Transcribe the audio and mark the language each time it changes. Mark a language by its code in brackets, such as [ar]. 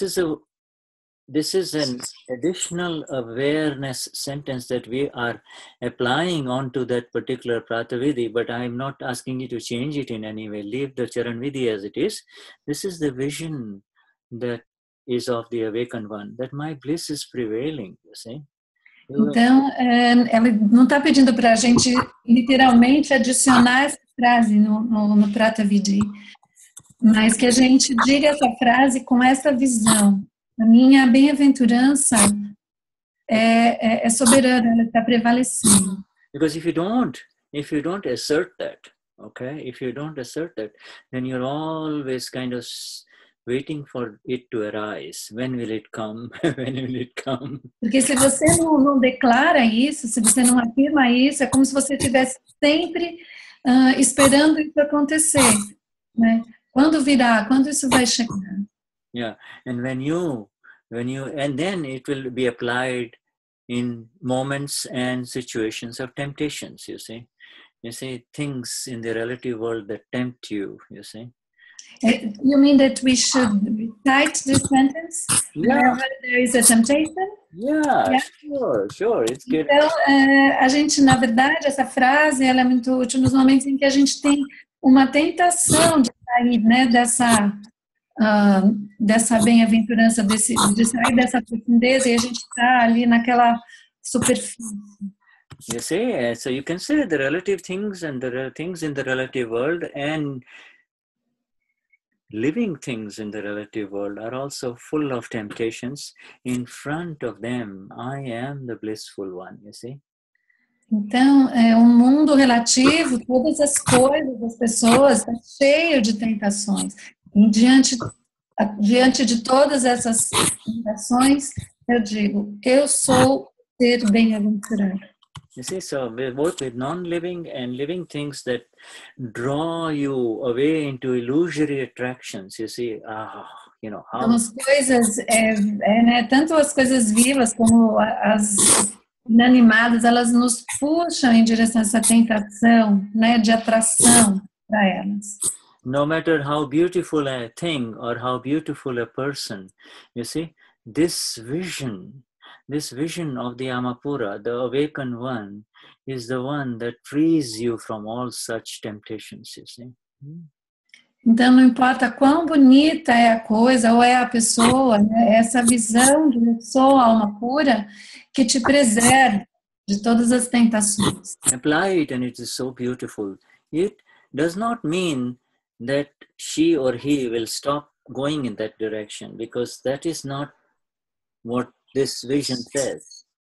[en] So this is an additional awareness sentence that we are applying onto that particular Pratavidhi, but I am not asking you to change it in any way. Leave the Charanvidhi as it is. This is the vision that is of the awakened one, that my bliss is prevailing, you see. [pt] Então, ela não está pedindo para a gente literalmente adicionar essa frase no Pratavidhi, mas que a gente diga essa frase com essa visão. A minha bem-aventurança é soberana, ela está prevalecendo. [en] Because if you don't assert that, okay? If you don't assert that, then you're always kind of waiting for it to arise. When will it come? When will it come? [pt] Porque se você não declara isso, se você não afirma isso, é como se você estivesse sempre esperando isso acontecer, né? Quando virá? Quando isso vai chegar? [en] Yeah, and when you and then it will be applied in moments and situations of temptations, you see. You see, things in the relative world that tempt you, you see. You mean that we should recite this sentence? Yeah. Whenever there is a temptation? Yeah, sure, it's good. [pt] Então, a gente, na verdade, essa frase, ela é muito útil nos momentos em que a gente tem uma tentação de sair, né, dessa bem-aventurança, de sair dessa profundeza e a gente está ali naquela superfície. [en] You see, so you can say the relative things and the things in the relative world and living things in the relative world are also full of temptations. In front of them, I am the blissful one, you see. [pt] Então, é um mundo relativo, todas as coisas, as pessoas, está cheio de tentações. Diante de todas essas tentações, eu digo, eu sou ser bem-aventurado. [en] You see, so we work with non-living and living things that draw you away into illusory attractions, you see. [pt] Então, as coisas, né, tanto as coisas vivas como as inanimadas, elas nos puxam em direção a essa tentação, né, de atração para elas. [en] No matter how beautiful a thing or how beautiful a person, you see, this vision of the Amapura, the awakened one, is the one that frees you from all such temptations, you see. [pt] Então, não importa quão bonita é a coisa ou é a pessoa, né? Essa visão de eu sou a alma pura que te preserva de todas as tentações. [en] Apply it and it is so beautiful. It does not mean that she or he will stop going in that direction, because that is not what this vision says.